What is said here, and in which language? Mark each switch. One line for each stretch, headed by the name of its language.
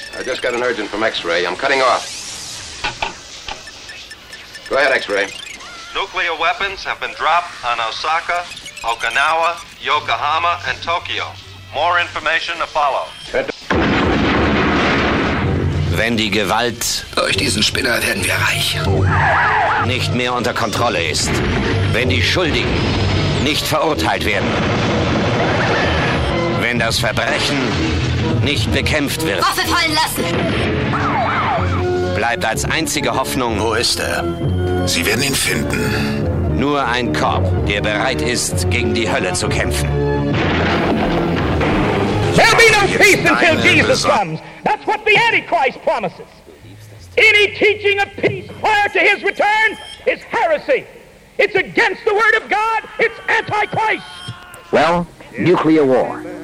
English: I just got an urgent from X-ray. I'm cutting off. Go ahead, X-ray. Nuclear weapons have been dropped on Osaka, Okinawa, Yokohama, and Tokyo. More information to follow.
German: Wenn die Gewalt durch diesen Spinner werden wir reich nicht mehr unter Kontrolle ist, wenn die Schuldigen nicht verurteilt werden, wenn das Verbrechen nicht bekämpft wird. Waffe fallen lassen! Bleibt als einzige Hoffnung. Wo ist er? Sie werden ihn finden. Nur ein Korb, der bereit ist, gegen die Hölle zu kämpfen.
English: There'll be no peace until Jesus comes. That's what the Antichrist promises. Any teaching of peace prior to his return is heresy. It's against the word of God. It's Antichrist. Well, nuclear war.